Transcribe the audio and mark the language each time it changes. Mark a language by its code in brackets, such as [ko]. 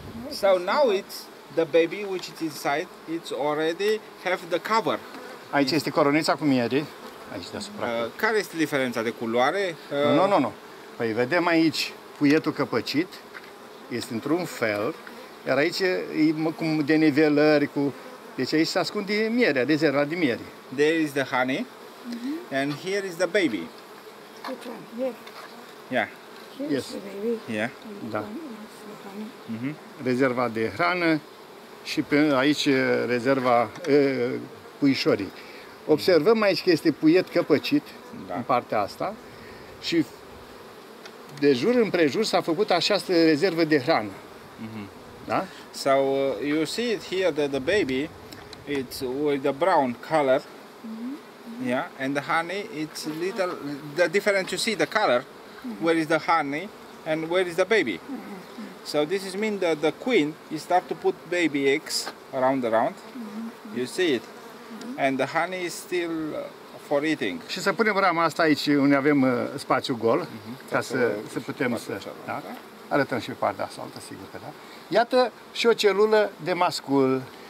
[en] So now it's the baby which is inside, it's already have the cover. [ro] Aici este coronița cu mierii. Aici deasupra. Care este diferența de culoare? Nu. Păi vedem aici puietul căpăcit, este într-un fel, iar aici e cum de nivelări cu... Deci aici se ascunde mierea, rezerva de miere. [en] There is the honey. Mm-hmm. And here is the baby. Which one? Here. Yeah. Here yes. The baby. Yeah. [ro] Da. Mm-hmm. Rezerva de hrană și pe aici rezerva puișorii. Observăm aici că este puiet căpăcit, da, în partea asta și de jur împrejur s-a făcut această rezervă de hrană. Mm-hmm. Da? [en] So you see it here that the baby it's with the brown color. Yeah, and the honey, it's little, the difference you see the color, where is the honey and where is the baby. So this is mean that the queen is start to put baby eggs around, you see it, and the honey is still for eating. [ro] Și să punem rama asta aici unde avem spațiu gol, ca să putem să, da? Arătăm și partea asta, sigur că da. Iată și o celulă de mascul.